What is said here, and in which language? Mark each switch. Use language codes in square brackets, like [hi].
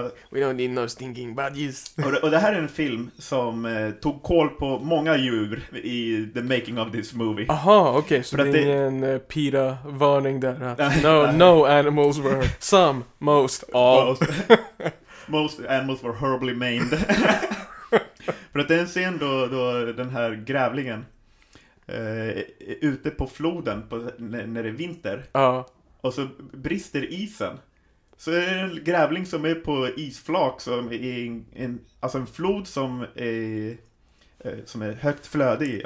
[en] We don't need no stinking badges. [sv] och det här är en film som tog koll på många djur i [en] the making of this movie. [sv] Aha, okej. Okay, så det är en PETA-varning där. [en] No animals were... Some, most, all. Most animals were horribly maimed. [sv] För att det är en scen då den här grävlingen ute på floden när det är vinter. Och så brister isen. Så är det en grävling som är på isflak som är en flod som är högt flöde i.